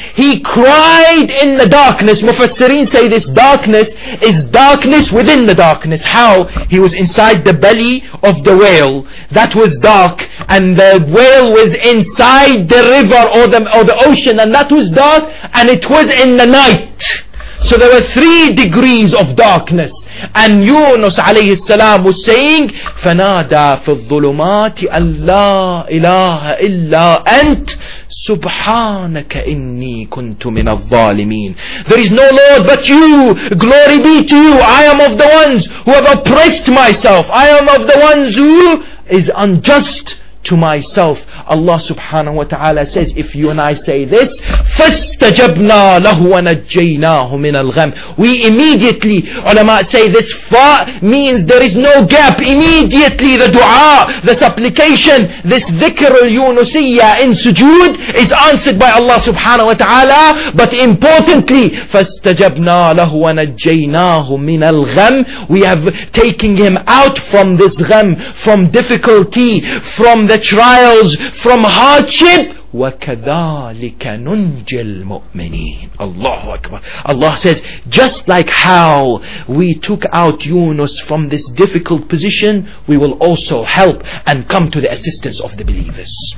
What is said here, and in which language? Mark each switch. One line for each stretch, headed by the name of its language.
English: He cried in the darkness. Mufassirin say this darkness is darkness within the darkness. How? He was inside the belly of the whale. That was dark. And the whale was inside the river or the ocean. And that was dark. And it was in the night. So there were 3 degrees of darkness. And Yunus alayhi salam was saying,
Arabic: فَنَادَى فِي الظُّلُمَاتِ أَلَّا إِلَهَ إِلَّا أَنْتَ سُبْحَانَكَ إِنِّي كُنْتُ مِنَ الظَّالِمِينَ.
English: There is no Lord but you. Glory be to you. I am of the ones who have oppressed myself. I am of the ones who is unjust to myself. Allah subhanahu wa ta'ala says, if you and I say this,
Arabic: فَاسْتَجَبْنَا لَهُ وَنَجَّيْنَاهُ مِنَ الْغَمْ.
English: We immediately, ulama say this, fa means there is no gap. Immediately the dua, the supplication, this dhikr al-yunusiyya in sujood is answered by Allah subhanahu wa ta'ala. But importantly,
Arabic: فَاسْتَجَبْنَا لَهُ وَنَجَّيْنَاهُ مِنَ الْغَمْ.
English: We have taken him out from this gham, from difficulty, from the trials, from hardship.
Arabic: وَكَذَٰلِكَ نُنْجِي الْمُؤْمِنِينَ. Allahu Akbar.
English: Allah says, just like how we took out Yunus from this difficult position, we will also help and come to the assistance of the believers.